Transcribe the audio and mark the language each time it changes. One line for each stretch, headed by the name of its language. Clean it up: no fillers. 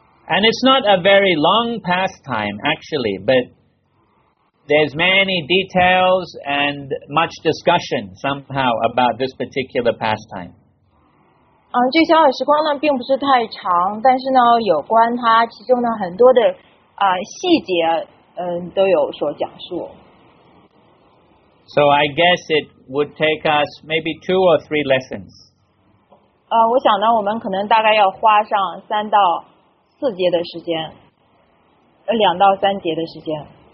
English: And it's not a very long pastime, actually, but. There's many details and much discussion somehow about this particular pastime.
Chinese: 这逍遥时光呢并不是太长，但是呢有关它其中呢很多的细节都有所讲述。
English: So I guess it would take us maybe 2 or 3 lessons.
Chinese: 我想呢我们可能大概要花上3到4节的时间，2到3节的时间。